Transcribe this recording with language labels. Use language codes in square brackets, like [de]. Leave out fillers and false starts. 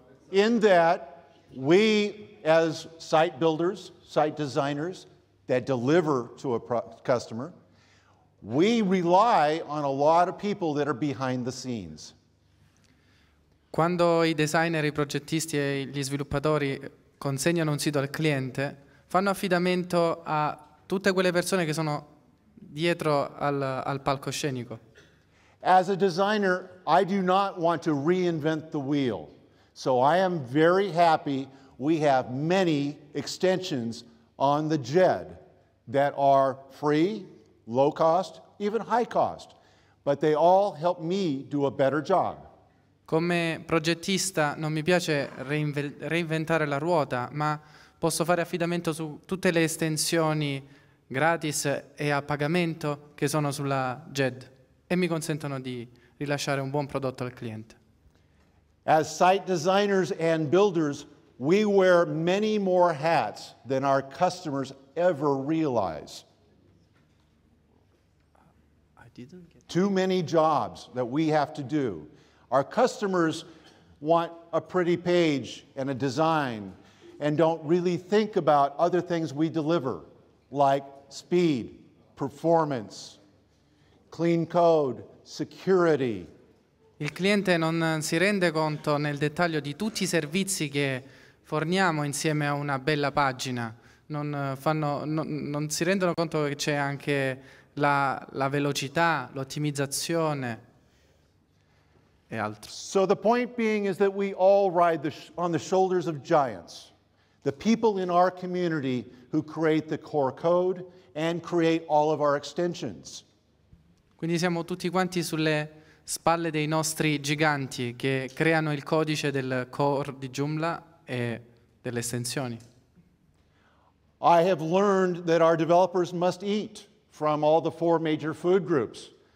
[en] In that we as site builders, site designers that deliver to a customer, we rely on a lot of people that are behind the scenes. [it] Quando i designer, i progettisti e gli sviluppatori consegnano un sito al cliente, fanno affidamento a tutte quelle persone che sono dietro al palcoscenico. [en] As a designer, I do not want to reinvent the wheel. So I am very happy we have many extensions on the JED that are free, low cost, even high cost, but they all help me do a better job. [it] Come progettista non mi piace reinventare la ruota, ma posso fare affidamento su tutte le estensioni gratis e a pagamento che sono sulla JED e mi consentono di rilasciare un buon prodotto al cliente. [en] As site designers and builders, we wear many more hats than our customers ever realize. Too many jobs that we have to do. Our customers want a pretty page and a design and don't really think about other things we deliver, like speed, performance, clean code, security. [it] Il cliente non si rende conto nel dettaglio di tutti i servizi che forniamo insieme a una bella pagina. Non si rendono conto che c'è anche la velocità, l'ottimizzazione e altro. [en] So the point being is that we all ride on the shoulders of giants, the people in our community who create the core code and create all of our extensions. [it] Quindi siamo tutti quanti sulle spalle dei nostri giganti che creano il codice del core di Joomla e delle estensioni. [en] I have learned that our developers must eat from all the four major food groups.